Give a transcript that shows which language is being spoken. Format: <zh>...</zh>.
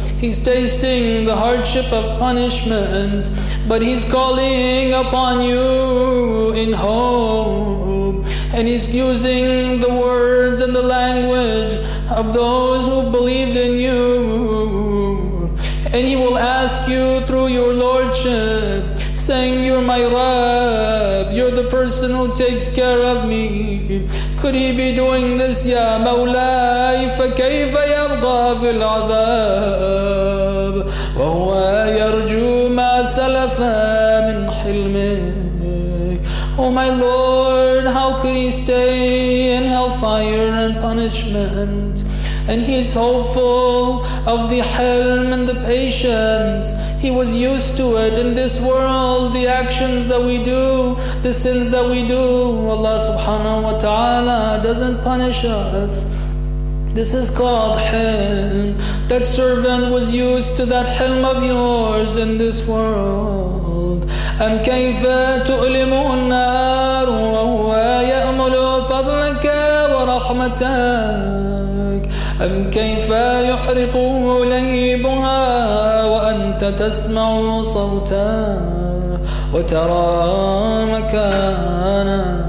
<en>He's tasting the hardship of punishment, but he's calling upon you in hope, and he's using the words and the language of those who believed in you, and he will ask you through your lordship, saying, "You're my Rab, you're the person who takes care of me. Could he be doing this, ya Mawlai?</en> <ar>فكيف يرضى في العذاب وهو يرجو ما سلف من حلمك."</ar> <en>Oh my Lord, how could he stay in hellfire and punishment? And he's hopeful of the Hilm and the patience. He was used to it in this world, the actions that we do, the sins that we do. Allah subhanahu wa ta'ala doesn't punish us. This is called Hilm. That servant was used to that Hilm of yours in this world.</en> <ar>أَمْ كَيْفَ تُؤْلِمُهُ النَّارُ وَهُوَ يَأْمُلُ فَضْلَكَ وَرَحْمَتَكَ أَمْ كَيْفَ يُحْرِقُهُ لَهِيبُهَا وَأَنْتَ تَسْمَعُ صَوْتَهُ وَتَرَى مَكَانَهُ</ar>